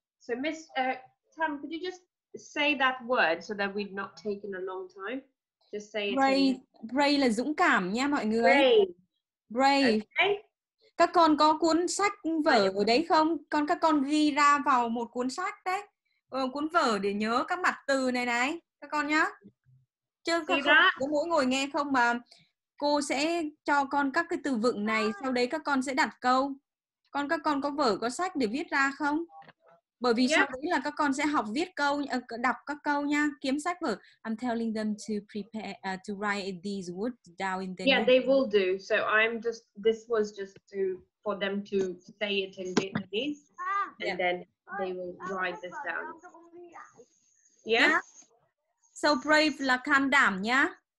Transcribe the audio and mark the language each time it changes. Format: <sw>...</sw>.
<en>So, Miss Tam, could you just say that word so that we've not taken a long time? Just say it. Brave. In...</en> <vi>Brave là dũng cảm nha mọi người.</vi> <en>Brave. Brave. Okay.</en> <vi>Các con có cuốn sách vở ở đấy không? Con các con ghi ra vào một cuốn sách đấy. Ừ, cuốn vở để nhớ các mặt từ này này các con nhá. Chứ con cứ mỗi ngồi nghe không mà cô sẽ cho con các cái từ vựng này, sau đấy các con sẽ đặt câu. Con các con có vở có sách để viết ra không? Bởi vì sau đấy là các con sẽ học viết câu, đọc các câu nha, kiếm sách vở.</vi> <en>I'm telling them to prepare to write these words down in their Yeah, notes. They will do. So I'm just this was just to for them to say it in Vietnamese. And then they will write this down. Yeah.</en> <vi>So brave là can đảm nhá.</vi>